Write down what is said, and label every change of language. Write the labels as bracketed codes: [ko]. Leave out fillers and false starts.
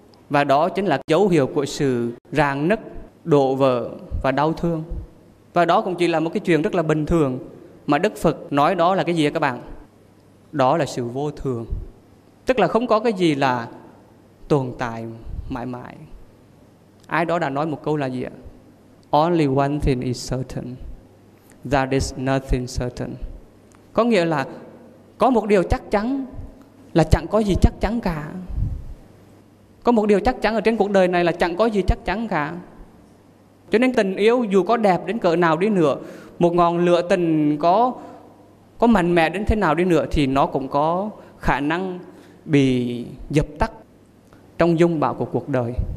[vi] Và đó chính là dấu hiệu của sự rạn nứt, đổ vỡ và đau thương. Và đó cũng chỉ là một cái chuyện rất là bình thường. Mà Đức Phật nói đó là cái gì các bạn? Đó là sự vô thường. Tức là không có cái gì là tồn tại mãi mãi. Ai đó đã nói một câu là gì ạ? [en] Only one thing is certain. That is nothing certain. [vi] Có nghĩa là có một điều chắc chắn là chẳng có gì chắc chắn cả. Có một điều chắc chắn ở trên cuộc đời này là chẳng có gì chắc chắn cả. Cho nên tình yêu dù có đẹp đến cỡ nào đi nữa, một ngọn lửa tình có mạnh mẽ đến thế nào đi nữa, thì nó cũng có khả năng bị dập tắt trong dung bão của cuộc đời.